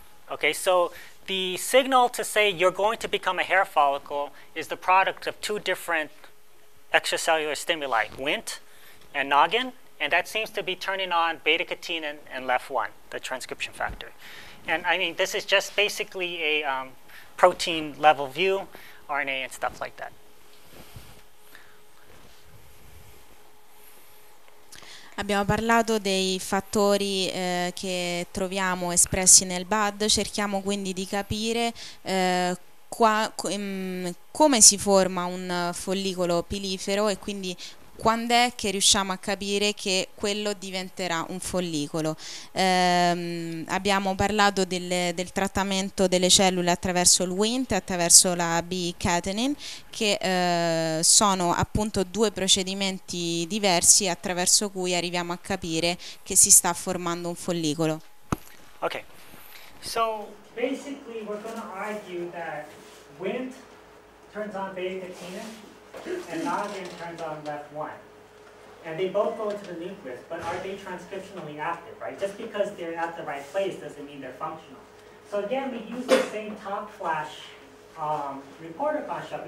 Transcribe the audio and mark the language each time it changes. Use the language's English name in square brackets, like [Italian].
[English] Okay, so the signal to say you're going to become a hair follicle is the product of two different extracellular stimuli, Wnt and noggin, and that seems to be turning on beta-catenin and LEF1, the transcription factor. And I mean, this is just basically a protein level view, RNA and stuff like that. [Italian] Abbiamo parlato dei fattori che troviamo espressi nel BAD, cerchiamo quindi di capire come si forma un follicolo pilifero e quindi quando è che riusciamo a capire che quello diventerà un follicolo. Abbiamo parlato del trattamento delle cellule attraverso il Wnt, attraverso la B-catenin, che sono appunto due procedimenti diversi attraverso cui arriviamo a capire che si sta formando un follicolo. [English] Ok, so basically we're going to argue that Wnt turns on beta-catenin and noggin turns on LEF1. And they both go into the nucleus, but are they transcriptionally active, right? Just because they're at the right place doesn't mean they're functional. So again, we use the same top flash reporter construct.